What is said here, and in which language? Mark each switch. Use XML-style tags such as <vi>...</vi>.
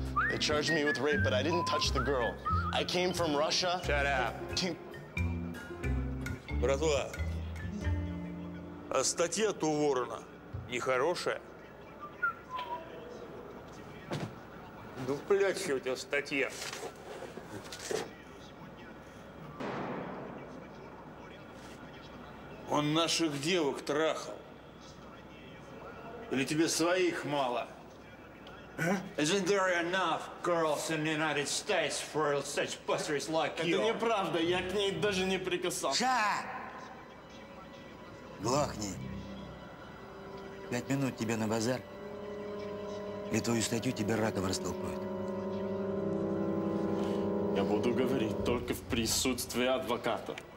<en>They charged me with rape, but I didn't touch the girl. I came from Russia. Shut up.</en> <ru>Братва, а статья-то у Уоррена нехорошая? Ну, блядь, что у тебя статья? Он наших девок трахал. Или тебе своих мало?</ru> <en>Isn't there enough girls in the United States for such busters like you?</en> <ru>Это неправда, я к ней даже не прикасался. Ша! Глохни. Пять минут тебе на базар, и твою статью тебе раков растолкнут. Я буду говорить только в присутствии адвоката.</ru>